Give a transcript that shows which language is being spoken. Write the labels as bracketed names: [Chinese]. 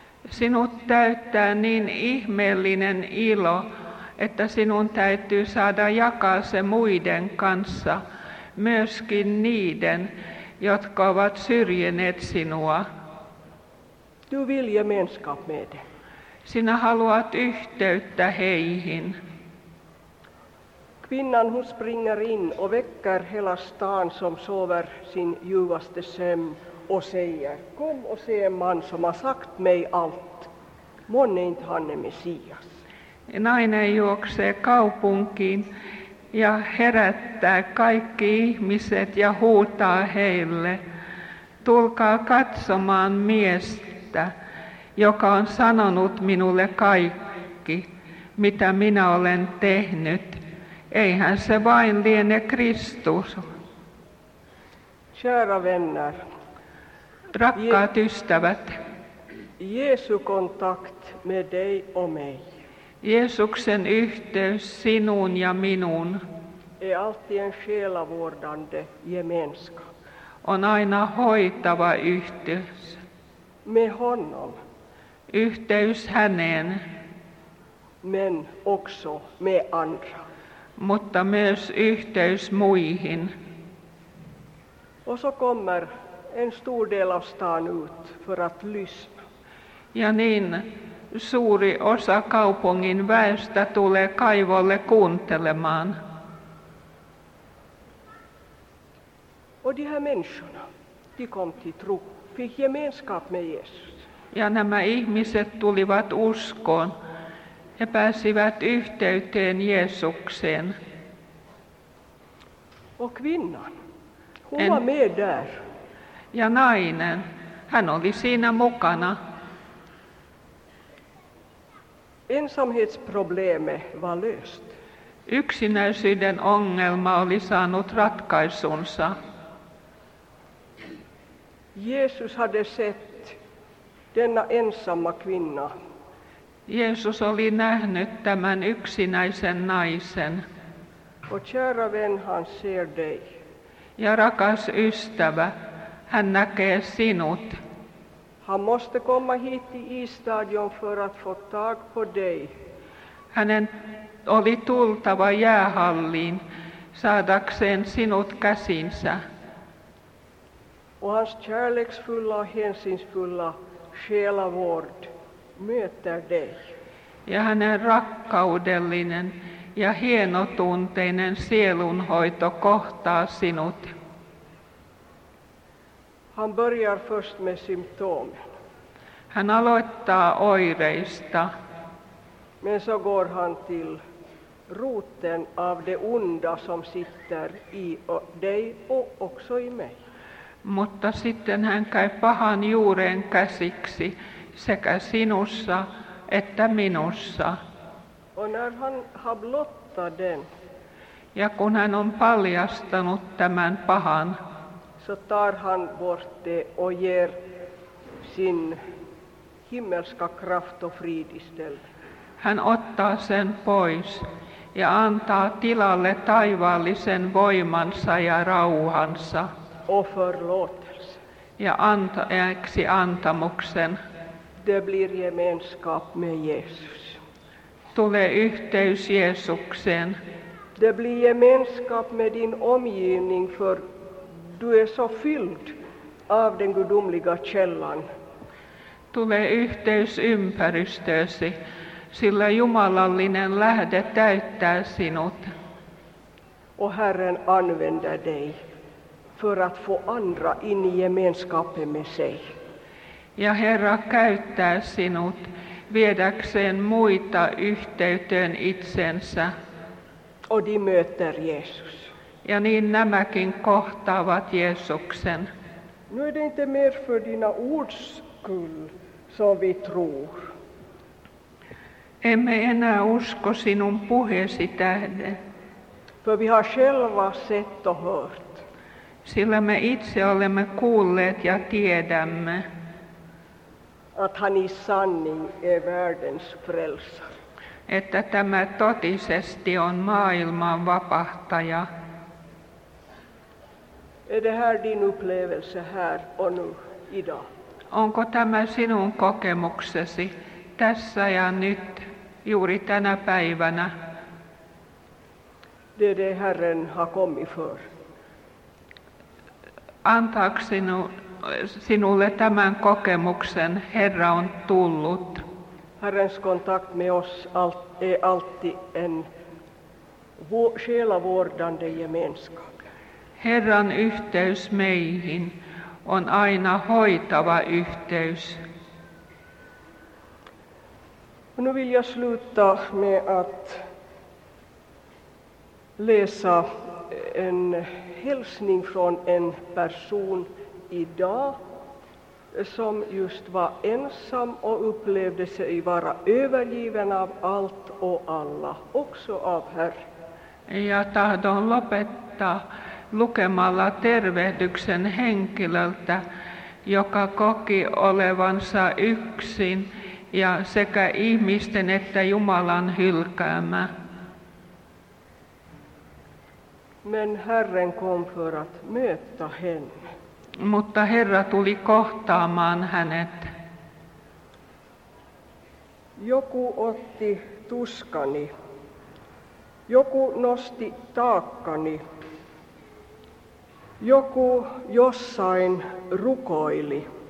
[Finnish] Sinut täyttää niin ihmeellinen ilo, että sinun täytyy saada jakaa se muiden kanssa, myöskin niiden, jotka ovat syrjineet sinua. [Swedish] Du vill gemenskap med dem. [Finnish] Sinä haluat yhteyttä heihin. [Swedish] Kvinnan hon springer in och väcker hela stan som sover sin ljuvaste sömn och säger: kom och se en man som har sagt mig allt. Månne inte han är Messias. [Finnish] Nainen juoksee kaupunkiin ja herättää kaikki ihmiset ja huutaa heille: tulkaa katsomaan miestä, joka on sanonut minulle kaikki, mitä minä olen tehnyt. Eihän se vain liene Kristus. [Swedish] Kära vänner. [Finnish] Rakkaat ystävät. [Swedish] Jeesu kontakt med dig och mig. [Finnish] Jeesuksen yhteys sinun ja minun. [Swedish] Är alltid en själavårdande gemenskap. [Finnish] On aina hoitava yhteys. [Swedish] Med honom. [Finnish] Yhteys häneen. [Swedish] Men också med andra. [Finnish] Mutta myös yhteys muihin. [Swedish] Och så kommer en stor del av stan ut för att lyssna. [Finnish] Ja niin, suuri osa kaupungin väestä tulee kaivolle kuuntelemaan. [Swedish] Och de här människorna, de kom till tro, fick gemenskap med Jesus. [Finnish] Ja nämä ihmiset tulivat uskoon. He pääsivät yhteyteen Jeesukseen. [Swedish] Och kvinnan, hon var med där. [Finnish] Ja nainen, hän oli siinä mukana. [Swedish] Ensamhetsproblemet var löst. [Finnish] Yksinäisyyden ongelma oli saanut ratkaisunsa. [Swedish] Jeesus hade sett denna ensamma kvinna. [Finnish] Jeesus oli nähnyt tämän yksinäisen naisen. [Swedish] Och kära vän, han ser dig. [Finnish] Ja rakas ystävä, hän näkee sinut. [Swedish] Han måste komma hit till isstadion för att få tag på dig. [Finnish] Hänen oli tultava jäähalliin saadakseen sinut käsinsä. [Swedish] Och hans kärleksfulla och hensinsfulla själavård möter dig. [Finnish] Ja hänen rakkaudellinen ja hienotunteinen sielunhoito kohtaa sinut. [Swedish] Han börjar först med symptomen. [Finnish] Hän aloittaa oireista. [Swedish] Men så går han till roten av det onda som sitter i dig och också i mig. [Finnish] Mutta sitten hän käy pahan juuren käsiksi sekä sinussa että minussa. [Swedish] Och när han har blottat den. [Finnish] Ja kun hän on paljastanut tämän pahan. [Swedish] Så tar han bort det och ger sin himmelska kraft och frid istället. [Finnish] Hän ottaa sen pois ja antaa tilalle taivaallisen voimansa ja rauhansa. [Swedish] Och förlåtelse. [Finnish] Ja anteeksi antamuksen. [Swedish] Det blir gemenskap med Jesus. [Finnish] Tulee yhteys Jeesukseen. [Swedish] Det blir gemenskap med din omgivning för du är så fylld av den gudomliga källan. [Finnish] Tulee yhteys ympäristöösi, sillä jumalallinen lähde täyttää sinut. [Swedish] Och Herren använder dig för att få andra in i gemenskapen med sig. [Finnish] Ja Herra käyttää sinut viedäkseen muita yhteyteen itsensä. [Swedish] Och de möter Jesus. [Finnish] Ja niin nämäkin kohtaavat Jeesuksen. [Swedish] Nu är det inte mer för dina ords skull som vi tror. [Finnish] Emme enää usko sinun puheesi tähden. [Swedish] För vi har själva sett och hört. [Finnish] Sillä me itse olemme kuulleet ja tiedämme. [Swedish] Att han i sanning är världens frälsare. [Finnish] Että tämä totisesti on maailman vapahtaja. [Swedish] Är det här din upplevelse här och nu idag? [Finnish] Onko tämä sinun kokemuksesi tässä ja nyt, juuri tänä päivänä? [Swedish] det är det Herren har kommit för. [Finnish] Antaak sinulle tämän kokemuksen, Herra on tullut. [Swedish] Herrens kontakt med oss är alltid en själavårdande gemenskap. [Finnish] Herran yhteys meihin on aina hoitava yhteys. [Swedish] Nu vill jag sluta med att läsa en hälsning från en person idag som just var ensam och upplevde sig vara övergiven av allt och alla, också av Herr. [Finnish] Ja tahdon lopettaa lukemalla tervehdyksen henkilöltä, joka koki olevansa yksin ja sekä ihmisten että Jumalan hylkäämä. [Swedish] Men Herren kom för att möta henne. [Finnish] Mutta Herra tuli kohtaamaan hänet. Joku otti tuskani. Joku nosti taakkani. Joku jossain rukoili.